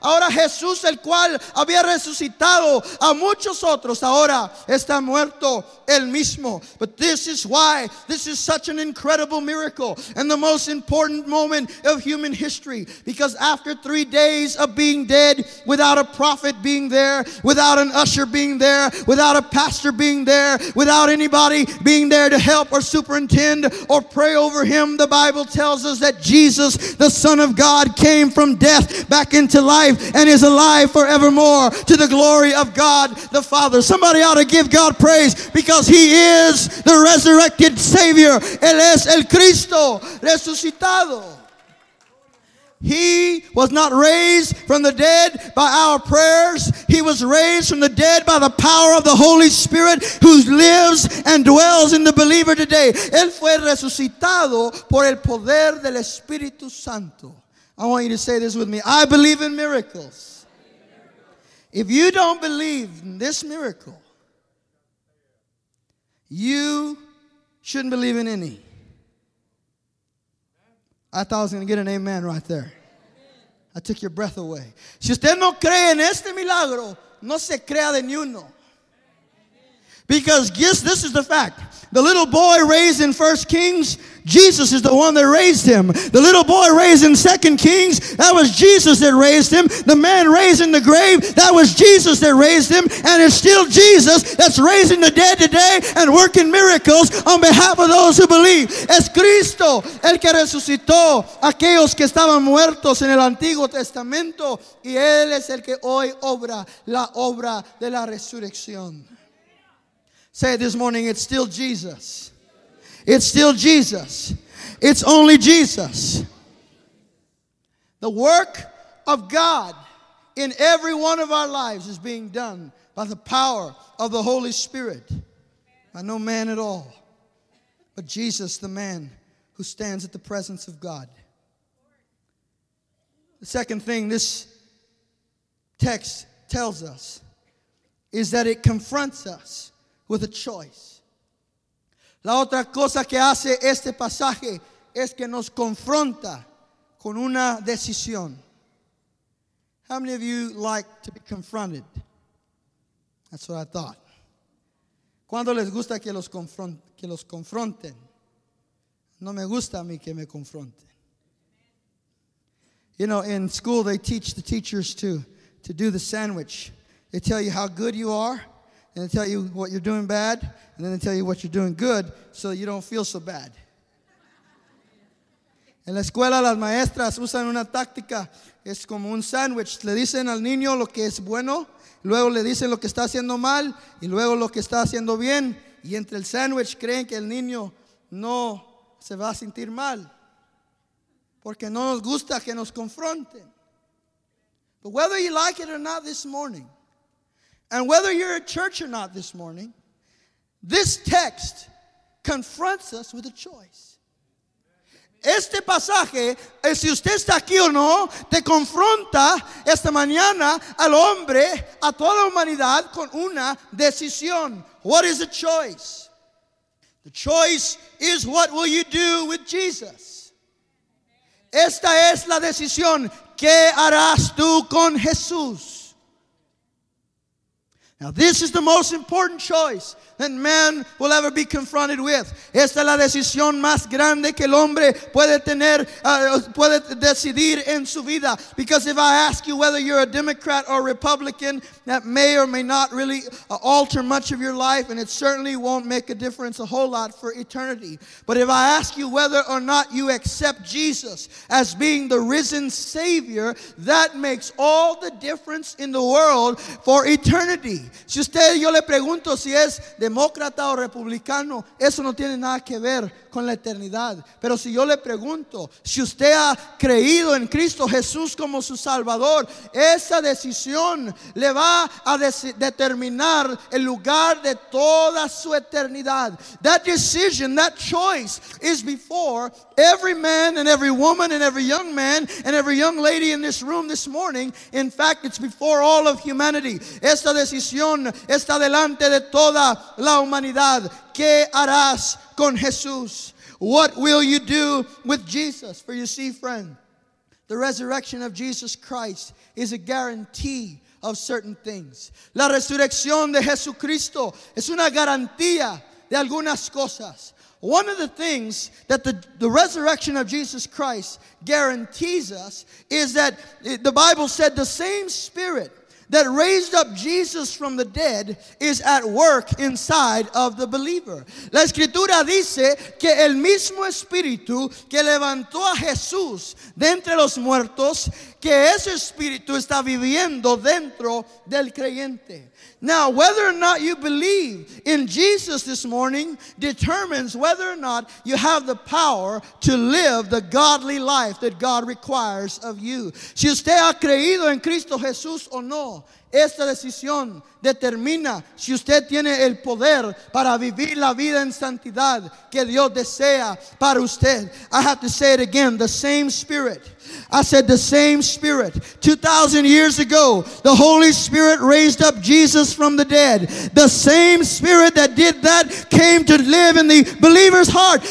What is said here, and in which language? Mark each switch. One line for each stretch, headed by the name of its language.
Spanish: Ahora Jesús, el cual había resucitado a muchos otros, ahora está muerto él mismo.
English: But this is why this is such an incredible miracle and the most important moment of human history. Because after 3 days of being dead, without a prophet being there, without an usher being there, without a pastor being there, without anybody being there to help or superintend or pray over him, the Bible tells us that Jesus, the Son of God, came from death back into life and is alive forevermore to the glory of God the Father. Somebody ought to give God praise because he is the resurrected Savior.
Spanish: Él es el Cristo resucitado.
English: He was not raised from the dead by our prayers. He was raised from the dead by the power of the Holy Spirit who lives and dwells in the believer today.
Spanish: Él fue resucitado por el poder del Espíritu Santo.
English: I want you to say this with me. I believe in miracles. If you don't believe in this miracle, you shouldn't believe in any. I thought I was going to get an amen right there. I took your breath away.
Spanish: Si usted no cree en este milagro, no se crea de ni uno.
English: Because yes, this is the fact. The little boy raised in 1 Kings, Jesus is the one that raised him. The little boy raised in 2 Kings, that was Jesus that raised him. The man raised in the grave, that was Jesus that raised him. And it's still Jesus that's raising the dead today and working miracles on behalf of those who believe.
Spanish: Es Cristo el que resucitó aquellos que estaban muertos en el Antiguo Testamento. Y Él es el que hoy obra la obra de la resurrección.
English: Say it this morning, it's still Jesus. It's still Jesus. It's only Jesus. The work of God in every one of our lives is being done by the power of the Holy Spirit. By no man at all, but Jesus, the man who stands at the presence of God. The second thing this text tells us is that it confronts us with a choice.
Spanish: La otra cosa que hace este pasaje es que nos confronta con una decisión.
English: How many of you like to be confronted? That's what I thought.
Spanish: ¿Cuándo les gusta que los confronten? No me gusta a mí que me confronten.
English: You know, in school they teach the teachers to do the sandwich. They tell you how good you are. And they tell you what you're doing bad, and then they tell you what you're doing good, so you don't feel so bad.
Spanish: En la escuela, las maestras usan una táctica, es como un sándwich. Le dicen al niño lo que es bueno, luego le dicen lo que está haciendo mal, y luego lo que está haciendo bien, y entre el sándwich creen que el niño no se va a sentir mal, porque no nos gusta que nos confronten.
English: But whether you like it or not this morning, and whether you're at church or not this morning, this text confronts us with a choice.
Spanish: Este pasaje, si usted está aquí o no, te confronta esta mañana al hombre, a toda la humanidad, con una decisión.
English: What is the choice? The choice is what will you do with Jesus?
Spanish: Esta es la decisión. ¿Qué harás tú con Jesús?
English: Now this is the most important choice that man will ever be confronted with.
Spanish: Esta es la decisión más grande que el hombre puede tener, puede decidir en su vida.
English: Because if I ask you whether you're a Democrat or Republican, that may or may not really alter much of your life, and it certainly won't make a difference a whole lot for eternity. But if I ask you whether or not you accept Jesus as being the risen Savior, that makes all the difference in the world for eternity.
Spanish: Si usted, yo le pregunto si es demócrata o republicano, eso no tiene nada que ver con la eternidad. Pero si yo le pregunto, si usted ha creído en Cristo Jesús como su Salvador, esa decisión le va a determinar el lugar de toda su eternidad.
English: That decision, that choice is before every man and every woman and every young man and every young lady in this room this morning. In fact, it's before all of humanity.
Spanish: Esta decisión está delante de toda la humanidad. ¿Qué harás con Jesús?
English: What will you do with Jesus? For you see, friend, the resurrection of Jesus Christ is a guarantee of certain things.
Spanish: La resurrección de Jesucristo es una garantía de algunas cosas.
English: One of the things that the resurrection of Jesus Christ guarantees us is that the Bible said the same Spirit that raised up Jesus from the dead is at work inside of the believer.
Spanish: La Escritura dice que el mismo Espíritu que levantó a Jesús de entre los muertos, que ese Espíritu está viviendo dentro del creyente.
English: Now, whether or not you believe in Jesus this morning determines whether or not you have the power to live the godly life that God requires of you.
Spanish: Si usted ha creído en Cristo Jesús o no, esta decisión determina si usted tiene el poder para vivir la vida en santidad que Dios desea para usted.
English: I have to say it again, the same Spirit. I said the same Spirit. 2,000 years ago, the Holy Spirit raised up Jesus from the dead. The same Spirit that did that came to live in the believer's heart.